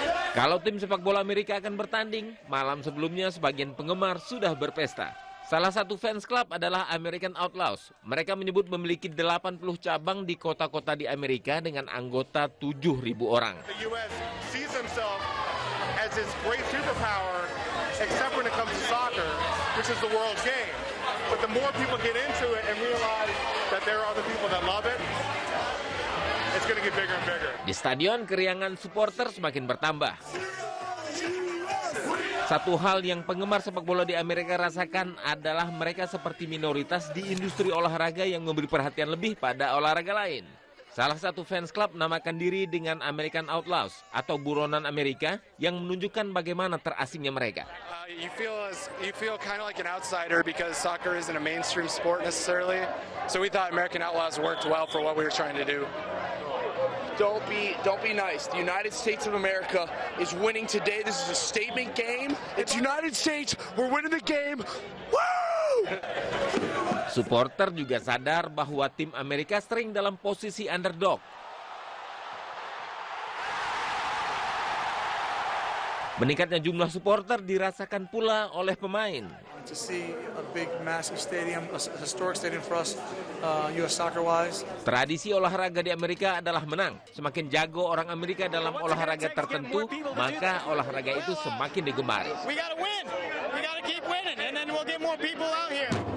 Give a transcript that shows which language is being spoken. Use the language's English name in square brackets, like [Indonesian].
[Indonesian] Kalau tim sepak bola Amerika akan bertanding, malam sebelumnya sebagian penggemar sudah berpesta. Salah satu fans club adalah American Outlaws. Mereka menyebut memiliki 80 cabang di kota-kota di Amerika dengan anggota 7.000 orang. [English] The US sees himself as his great superpower, except when it comes to soccer, which is the world game. But the more people get into it and realize that there are other people that love it, it's going to get bigger and bigger. [Indonesian] Di stadion, keriangan supporter semakin bertambah. Satu hal yang penggemar sepak bola di Amerika rasakan adalah mereka seperti minoritas di industri olahraga yang memberi perhatian lebih pada olahraga lain. Salah satu fans club namakan diri dengan American Outlaws atau buronan Amerika yang menunjukkan bagaimana terasingnya mereka. [English] You feel kind of like an outsider because soccer isn't a mainstream sport necessarily. So we thought American Outlaws worked well for what we were trying to do. Don't be nice. The United States of America is winning today. This is a statement game. It's United States. We're winning the game. Woo! [Indonesian] Supporter juga sadar bahwa tim Amerika sering dalam posisi underdog. Meningkatnya jumlah supporter dirasakan pula oleh pemain. [English] To see a big, massive stadium, a historic stadium for us, US soccer-wise. [Indonesian] Tradisi olahraga di Amerika adalah menang. Semakin jago orang Amerika dalam olahraga tertentu, maka olahraga itu semakin digemari. [English] We gotta win. We gotta keep winning, and then we'll get more people out here.